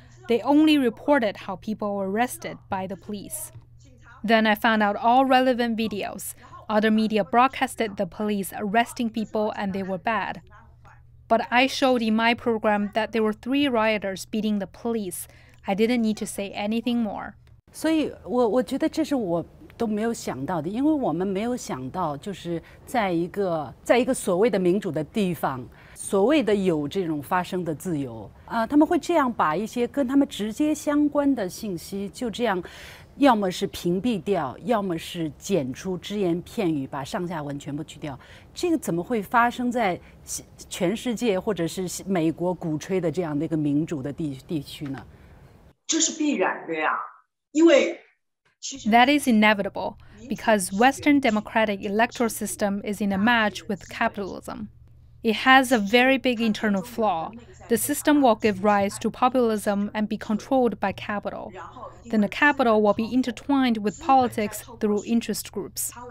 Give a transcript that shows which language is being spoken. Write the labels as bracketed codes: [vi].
[en] They only reported how people were arrested by the police. Then I found out all relevant videos. Other media broadcasted the police arresting people and they were bad. But I showed in my program that there were three rioters beating the police. I didn't need to say anything more. So I think this is what [zh] 都没有想到的，因为我们没有想到，就是在一个所谓的民主的地方，所谓的有这种发声的自由，他们会这样把一些跟他们直接相关的信息，就这样，要么是屏蔽掉，要么是剪出只言片语，把上下文全部去掉。这个怎么会发生在全世界或者是美国鼓吹的这样的一个民主的地区呢？这是必然的呀，因为。 [en] That is inevitable, because Western democratic electoral system is in a match with capitalism. It has a very big internal flaw. The system will give rise to populism and be controlled by capital. Then the capital will be intertwined with politics through interest groups.